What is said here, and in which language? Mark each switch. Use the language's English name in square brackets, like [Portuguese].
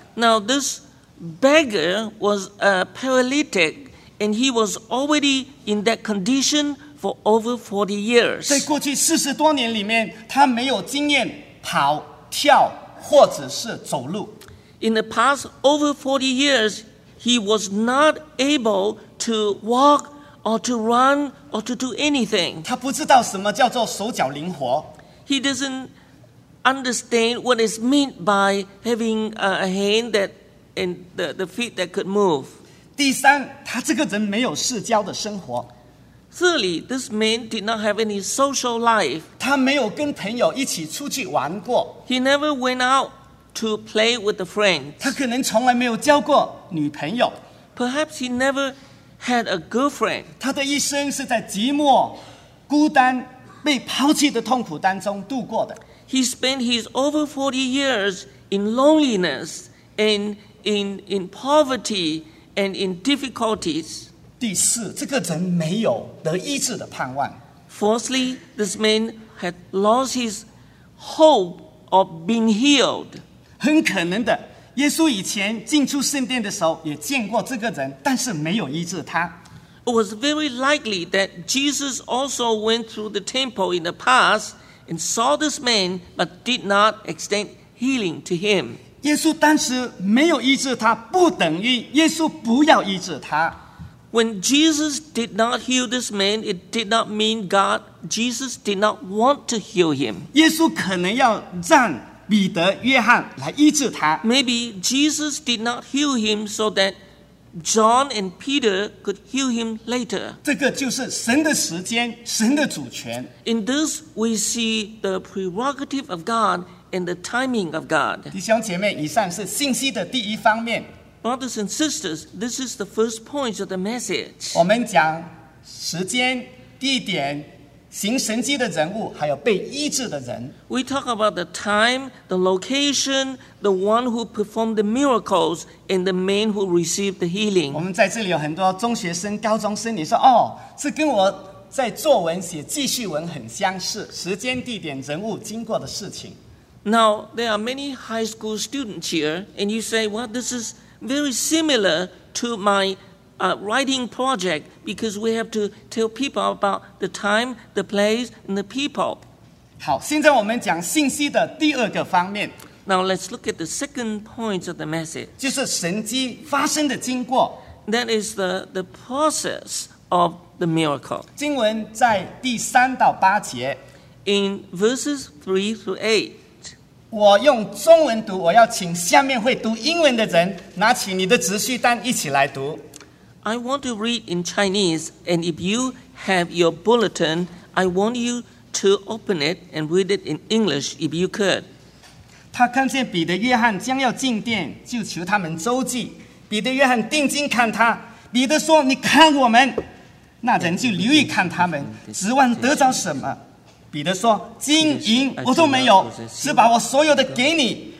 [English] Now this beggar was a paralytic, and he was already in that condition for over 40 years. [Chinese] 在过去40多年里面，他没有经验跑、跳或者是走路。 [English] In the past over 40 years, he was not able to walk or to run or to do anything. [Chinese] 他不知道什么叫做手脚灵活。 [English] He doesn't understand what is meant by having a hand that and the feet that could move. [Chinese] 第三，他这个人没有社交的生活。 [English] Thirdly, this man did not have any social life. [Chinese] 他没有跟朋友一起出去玩过。 [English] He never went out. To play with a friend. [Chinese] 他可能从来没有交过女朋友。 [English] Perhaps he never had a girlfriend. [Chinese] 他的一生是在寂寞、孤单、被抛弃的痛苦当中度过的。 [English] He spent his over 40 years in loneliness and in poverty and in difficulties. [Chinese] 第四，这个人没有得医治的盼望。 [English] Fourthly, this man had lost his hope of being healed. [Chinese] 很可能的，耶稣以前进出圣殿的时候也见过这个人，但是没有医治他。 [English] It was very likely that Jesus also went through the temple in the past and saw this man, but did not extend healing to him. [Chinese] 耶稣当时没有医治他，不等于耶稣不要医治他。 [English] When Jesus did not heal this man, it did not mean Jesus did not want to heal him. [Chinese] 耶稣可能要让彼得、约翰来医治他。 [English] Maybe Jesus did not heal him so that John and Peter could heal him later. [Chinese] 这个就是神的时间，神的主权。 [English] In this, we see the prerogative of God and the timing of God. [Chinese] 弟兄姐妹，以上是信息的第一方面。 [English] Brothers and sisters, this is the first point of the message. [Chinese] 我们讲时间、地点。行神迹的人物，还有被医治的人。 [English] We talk about the time, the location, the one who performed the miracles, and the man who received the healing. [Chinese] 我们在这里有很多中学生、高中生，你说哦，这跟我在作文写记叙文很相似，时间、地点、人物、经过的事情。 [English] Now there are many high school students here, and you say, "Well, this is very similar to my." Writing project because we have to tell people about the time, the place, and the people. [Chinese] 好，现在我们讲信息的第二个方面。 [English] Now let's look at the second point of the message. [Chinese] 就是神迹发生的经过。 [English] That is the process of the miracle. [Chinese] 经文在第三到八节。 [English] In verses 3-8. [Chinese] 我用中文读，我要请下面会读英文的人拿起你的纸絮单一起来读。 [English] I want to read in Chinese, and if you have your bulletin, I want you to open it and read it in English, if you could. [Chinese] 他看见彼得、约翰将要进殿，就求他们周济。彼得、约翰定睛看他，彼得说：“你看我们。” 那人就留意看他们，指望得着什么。彼得说：“金银我都没有，只把我所有的给你。